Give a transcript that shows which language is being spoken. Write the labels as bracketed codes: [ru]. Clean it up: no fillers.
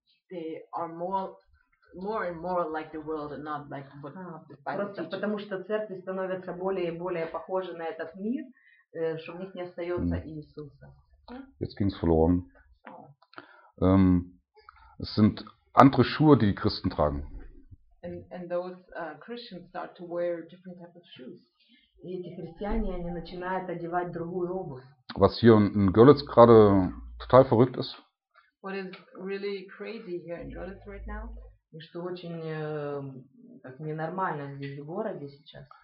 [en] They are more and more like the world and not like what the Bible teaches. [ru] Просто потому что церкви становятся более и более похожи на этот мир, что в них не остается Иисуса. [de] Jetzt ging's verloren. Es sind andere Schuhe, die die Christen tragen. [en] And those Christians start to wear different types of shoes. [ru] И эти христиане, они начинают одевать другую обувь. [de] Was hier in Görlitz gerade total verrückt ist. [en] What is really crazy here in Görlitz right now? [ru] И что очень как ненормально здесь в городе сейчас.